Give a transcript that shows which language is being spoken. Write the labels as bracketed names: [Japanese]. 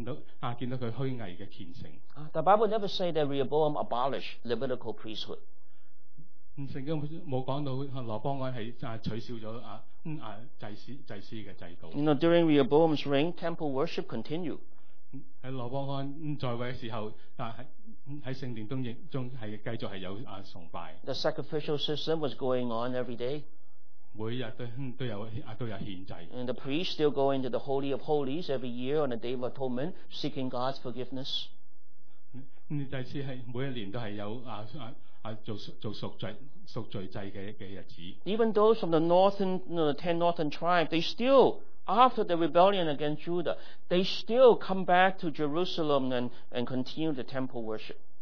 [Chinese] 第二个宣示是见到他虚伪的虔诚。 [English] The Bible never says that Rehoboam abolished Levitical priesthood. [Chinese] 圣经没有说到罗邦安是取消了祭司的制度。 [English] You know, during Rehoboam's reign, temple worship continued. [Chinese] 在罗邦安在位的时候，在圣殿中继续有崇拜。 [English] The sacrificial system was going on every day. [Chinese] 每天都有献祭。 [English] And the priest still go into the Holy of Holies every year on the Day of Atonement, seeking God's forgiveness. [Chinese] 祭司每一年都有做赎罪祭的日子。 [English] Even those from the northern, you know, ten northern tribes, they still, after the rebellion against Judah, they still come back to Jerusalem and continue the temple worship.